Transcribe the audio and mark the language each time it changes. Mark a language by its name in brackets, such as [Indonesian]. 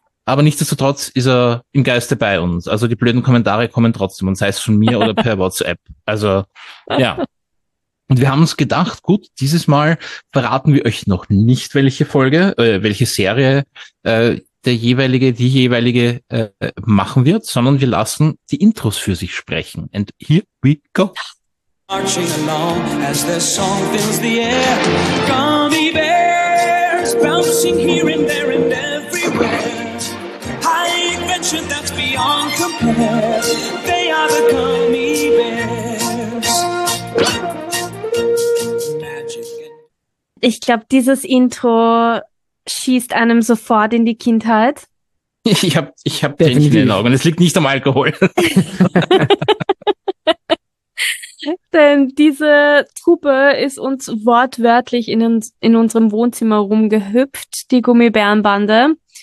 [German] Aber nichtsdestotrotz ist er im Geiste bei uns. Also die blöden Kommentare kommen trotzdem, und sei es von mir oder per WhatsApp. Also ja. Und wir haben uns gedacht, gut, dieses Mal verraten wir euch noch nicht, welche Folge, welche Serie, die jeweilige machen wird, sondern wir lassen die Intros für sich sprechen. [English] And here we go. Marching along as the song fills the air. Gummy bears bouncing here and there and everywhere. High adventure that's beyond compare. They are the gummy bears. [German] Ich glaube, dieses Intro schießt einem sofort in die Kindheit. Ich hab Tränchen in den Definitiv. Augen. Es liegt nicht am Alkohol. Denn diese Truppe ist uns wortwörtlich in unserem Wohnzimmer rumgehüpft, die Gummibärenbande.